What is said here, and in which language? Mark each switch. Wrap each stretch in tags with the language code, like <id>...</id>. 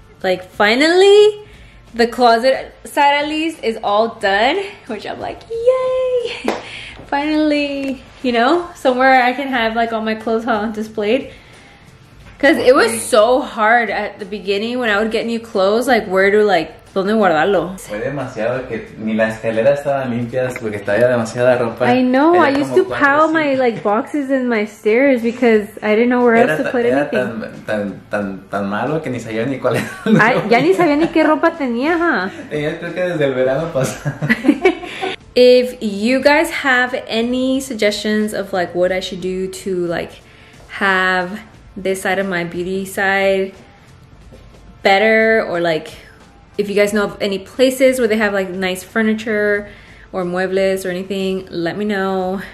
<en>Like finally, the closet side at least is all done, which I'm like, yay, finally. You know, somewhere I can have like all my clothes on displayed. Cause it was so hard at the beginning when I would get new clothes, like where to like</en> <es>¿dónde guardarlo? Fue demasiado que ni la escalera estaba limpia porque estaba demasiada ropa.</es> <en>I know, era I used to pile así. My like boxes in my stairs because I didn't know where</en> <es>era</es> <en>else to put anything.</en> <es>Tan malo que ni sabía ni cuál era. Ya ni sabía ni qué ropa tenía, ¿ha? Tenía creo que desde el verano pasado.</es> <en>If you guys have any suggestions of like what I should do to like have this side of my beauty side better, or like if you guys know of any places where they have like nice furniture or muebles or anything, let me know.</en>